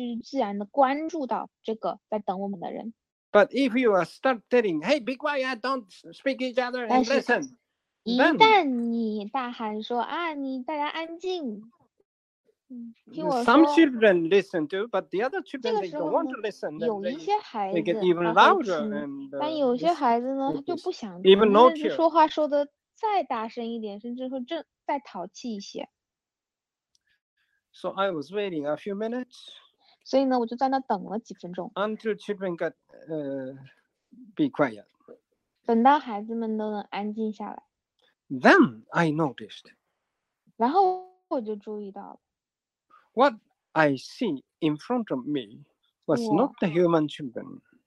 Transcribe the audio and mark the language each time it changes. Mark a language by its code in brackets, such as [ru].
[zh] 他们知道啊，有人在等待着我们，他们就会去自然的关注到这个在等我们的人。 [en] But if you start telling, hey, be quiet, don't speak each other and listen. [zh] 一旦你大喊说啊，你大家安静。 [en] Some children listen to, but the other children, they don't want to listen. They get even louder. [zh] 但有些孩子呢，就不想听。 [en] Even notice. [zh] 说话说的再大声一点，甚至说再淘气一些。 [en] So I was waiting a few minutes. [zh] 所以呢，我就在那等了几分钟。 [en] Until children got, be quiet. [zh] 等到孩子们都能安静下来。 [en] Then I noticed. [zh] 然后我就注意到了。 [en] What I see in front of me was not the human children.